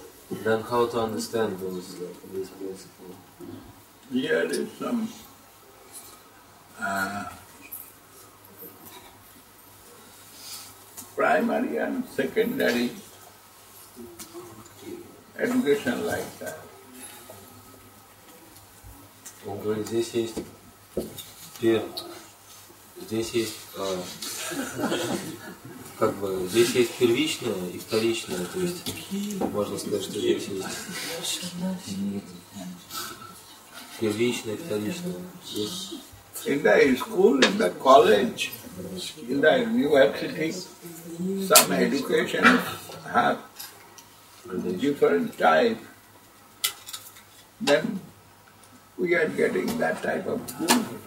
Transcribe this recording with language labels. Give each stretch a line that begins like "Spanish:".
English: Then how to understand this principle? Yeah, there's some primary and secondary education like that.
Russian: Он говорит, здесь есть здесь есть первичное и вторичное, то есть можно сказать, что здесь есть первичное и вторичное.
English: In the school, in the college, in the university, some education have different type. Then we are getting that type of guru.